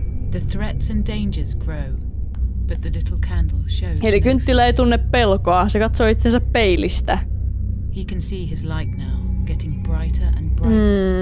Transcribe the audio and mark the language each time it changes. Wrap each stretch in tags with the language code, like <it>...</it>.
<en>The threats and dangers grow, but the little candle shows.</en> <fi>Eli kynttilä ei tunne pelkoa. Se katsoo itsensä peilistä.</fi> <en>He can see his light now, getting brighter and brighter.</en>